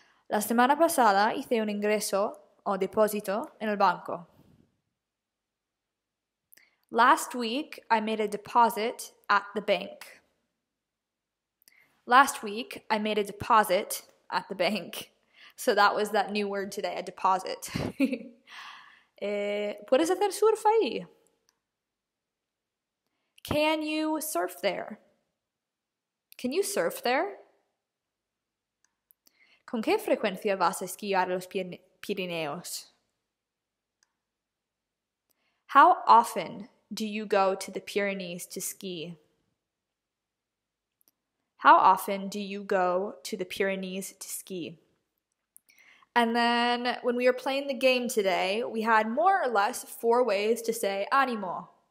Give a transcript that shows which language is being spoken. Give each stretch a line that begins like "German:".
Spanish: La semana pasada hice un ingreso o deposito en el banco.
English: Last week I made a deposit at the bank. Last week I made a deposit at the bank. So that was that new word today, a deposit.
Spanish: ¿Puedes hacer surf ahí?
English: Can you surf there? Can you surf there?
Spanish: ¿Con qué frecuencia vas a esquiar los Pirineos?
English: How often do you go to the Pyrenees to ski? How often do you go to the Pyrenees to ski? And then when we were playing the game today, we had more or less four ways to say ánimo.